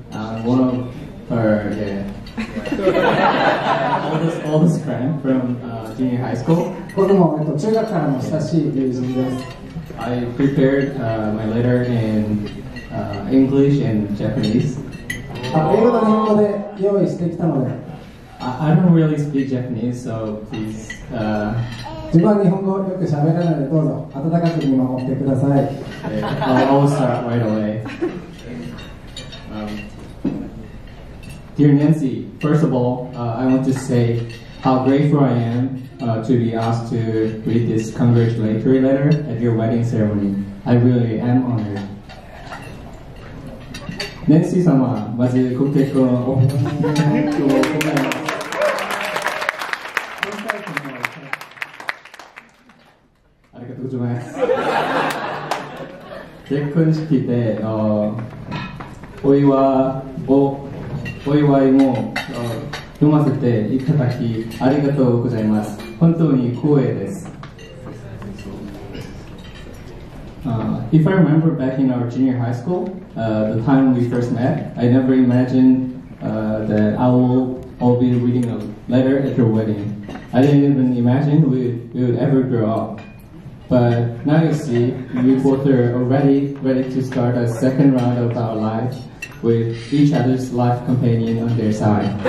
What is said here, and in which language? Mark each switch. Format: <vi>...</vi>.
<en>I'm one of her, oldest friend from junior high school.</en> <ja>僕も中学からも親しい友人です。</ja> <en>I prepared my letter in English and Japanese.</en> <ja>英語と日本語で用意してきたので。</ja> <en>I don't really speak Japanese, so please.</en> <ja>自分は日本語をよく喋らないので、どうぞ温かく見守ってください。</ja> <en>I'll start right away. Dear Nancy, first of all, I want to say how grateful I am to be asked to read this congratulatory letter at your wedding ceremony. I really am honored.</en> <ja>Nancy-sama, まず国結婚おめでとうございます。結婚式で、お祝いも読ませていただきありがとうございます。本当に光栄です。</ja> <en>If I remember back in our junior high school, the time we first met, I never imagined that I will all be reading a letter at your wedding. I didn't even imagine we would ever grow upBut now you see, we both are already ready to start a second round of our lives with each other's life companion on their side.</en>